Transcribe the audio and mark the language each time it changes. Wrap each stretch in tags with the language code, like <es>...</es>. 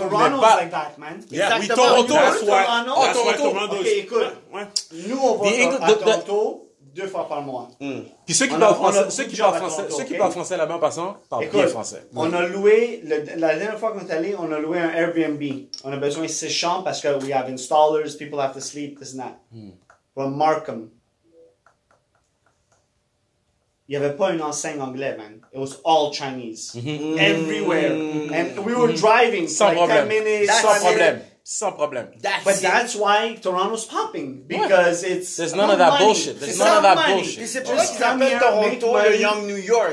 <en>Toronto's pas... like that, man.</en> <fr>Yeah. Oui, Toronto, la soirée. Toronto. OK, écoute. Nous, on va à Toronto deux fois par mois. Puis ceux qui parlent français là-bas, en passant, parlent bien français. On a loué, la dernière fois qu'on est allé, on a loué un Airbnb. On a besoin de 6 chambres parce que</fr> <en>we have installers, people have to sleep, this and that. From Markham.</en> <fr>Il n'y avait pas une enseigne anglaise, man.</fr> <en>It was all Chinese. Everywhere. And we were driving.</en> <fr>Sans</fr> <en>like</en> <fr>problème.</fr> <en>10 minutes.</en> <fr>Sans problème.</fr> <en>That's why Toronto's popping. Because it's... There's none of that bullshit.</en> <fr>Puis c'est pour ça qu'ils appellent Toronto le Young New York.</fr>